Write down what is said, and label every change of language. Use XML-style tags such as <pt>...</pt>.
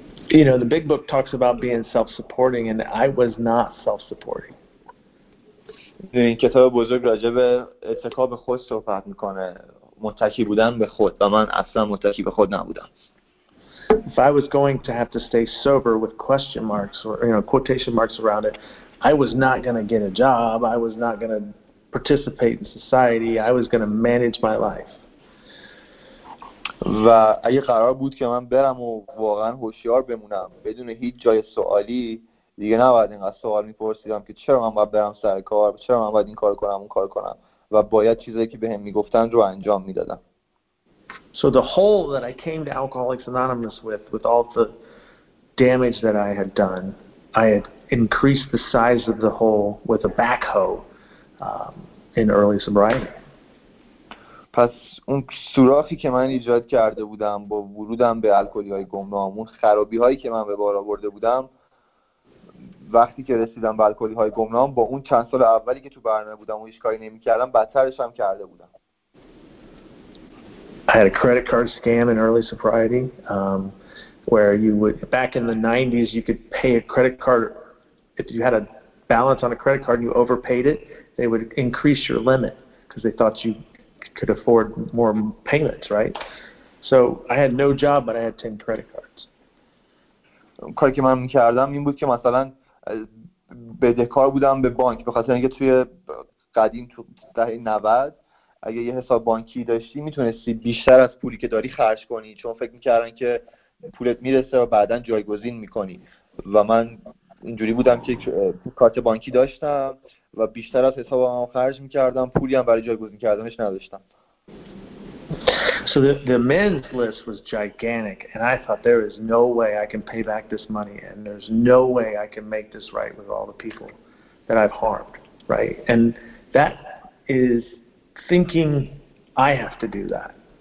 <en>You know, the big book talks about being self-supporting and I was not self-supporting.</en> <fa>این کتاب بزرگ راجع به اتکا به خود صحبت میکنه، متکی بودن به خود، و من اصلا متکی به خود نبودم.</fa> <en>If I was going to have to stay sober with question marks or you know quotation marks around it, I was not going to get a job, I was not going to participate in society, I was going to manage my life.</en> <fa>و اگه قرار بود که من برم و واقعا هوشیار بمونم بدون هیچ جای سوالی، دیگه نباید اینقدر سوال میپرسیدم که چرا من باید برم سر کار، چرا من باید این کار کنم اون کار کنم، و باید چیزایی که بهم میگفتن رو انجام میدادم.</fa> <en>So the hole that I came to Alcoholics Anonymous with all the damage that I had done, I had increased the size of the hole with a backhoe in early sobriety.</en> <fa>پس اون سوراخی که من ایجاد کرده بودم با ورودم به الکلی‌های گمنام، اون خرابی‌هایی که من به بار آورده بودم وقتی که رسیدم به الکلی‌های گمنام، با اون چند سال اولی که تو برنامه بودم و هیچ کاری نمی‌کردم بدترش هم کرده بودم.</fa> <en>I had a credit card scam in early sobriety where you would back in the 90s you could pay a credit card if you had a balance on a credit card and you overpaid it they would increase your limit because they thought you could afford more payments, right? So I had no job but I had 10 credit cards.</en> <fa>کاری که من می‌کردم این بود که مثلا بدهکار بودم به بانک به خاطر اینکه توی قدیم تو دهه 90 اگه یه حساب بانکی داشتی میتونستی بیشتر از پولی که داری خرج کنی چون فکر می‌کردن که پولت میرسه و بعداً جایگزین می‌کنی و من اینجوری بودم که کارت بانکی داشتم و بیشتر از حسابم خرج می‌کردم، پولی هم برای جایگزین کردنش نداشتم.</fa> <en>So the men's list was gigantic and I thought there is no way I can pay back this money and there's no way I can make this right with all the people that I've harmed, right? And that is thinking I have to do that.</en>